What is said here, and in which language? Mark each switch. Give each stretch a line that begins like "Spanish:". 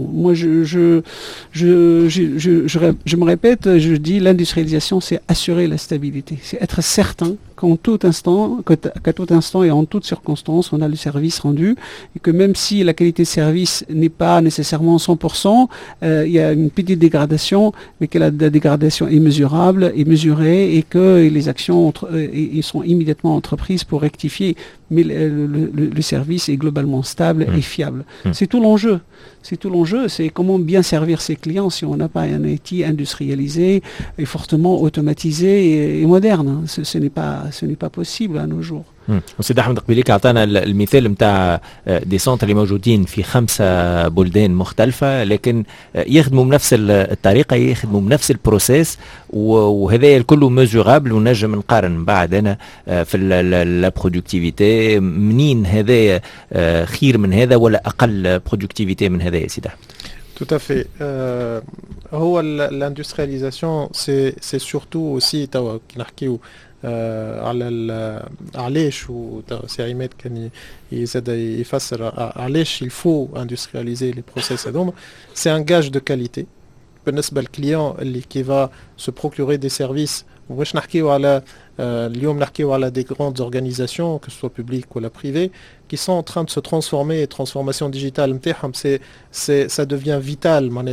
French: Moi, je me répète, je dis l'industrialisation, c'est assurer la stabilité, c'est être certain qu'en tout instant, qu'à tout instant et en toutes circonstances, on a le service rendu et que même si la qualité de service n'est pas nécessairement 100%, il y a une petite dégradation, mais que la dégradation est mesurable, est mesurée et que les actions sont immédiatement entreprises pour rectifier. Mais le service est globalement stable et fiable. C'est tout l'enjeu. C'est tout l'enjeu, c'est comment bien servir ses clients si on n'a pas un IT industrialisé et fortement automatisé et moderne. Ce n'est pas possible à nos jours.
Arabic: سيد أحمد قبيلي أعطانا المثال متاع دي سنتر اللي موجودين في خمسة بلدان مختلفة لكن يخدموا بنفس الطريقة يخدموا بنفس البروسيس وهذا الكل مزوغابل ونجم نقارن بعد أنا في البرودكتيفيتي منين هذا خير من هذا ولا أقل برودكتيفيتي من هذا يا سيد أحمد
French: Tout à fait. L'industrialisation, c'est surtout aussi il faut industrialiser les process. C'est un gage de qualité. Le client qui va se procurer des services, des grandes organisations, que ce soit publiques ou la privée, qui sont en train de se transformer, transformation digitale, ça devient vital.